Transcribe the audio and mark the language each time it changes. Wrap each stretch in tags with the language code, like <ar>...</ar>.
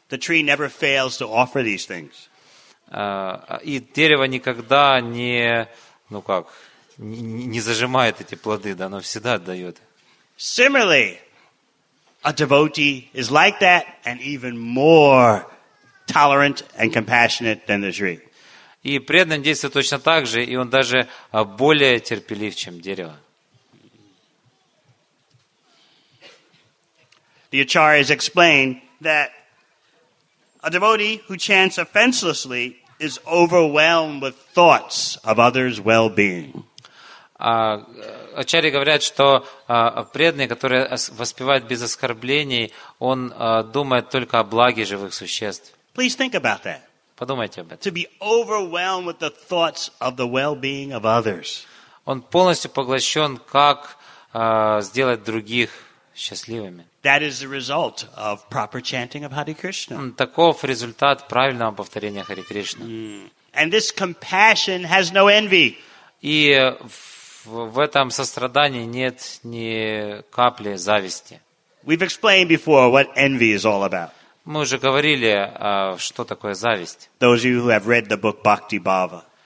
<en>The tree never fails to offer these things.</en> <ru>И дерево никогда не, не зажимает эти плоды, да, оно всегда отдает.</ru> <en>Similarly, a devotee is like that and even more tolerant and compassionate than the tree.</en> <ru>И преданный действует точно так же, и он даже более терпелив, чем дерево.</ru> <en>The Acharyas explain that a devotee who chants offenselessly is overwhelmed with thoughts of others' well-being.</en> <ru>Ачарьи говорят, что преданный, который воспевает без оскорблений, он думает только о благе живых существ.</ru> <en>Please think about that.</en> <ru>Подумайте об этом.</ru> <en>To be overwhelmed with the thoughts of the well-being of others.</en> <ru>Он полностью поглощен, как сделать других счастливыми.</ru> <en>That is the result of proper chanting of Hare Krishna.</en> <ru>Таков результат правильного повторения Харе Кришны.</ru> <en>And this compassion has no envy.</en> <ru>И в этом сострадании нет ни капли зависти.</ru> <en>We've explained before what envy is all about.</en> <ru>Мы уже говорили, что такое зависть.</ru> <en>Those of you who have read the book Bhakti Bhava.</en>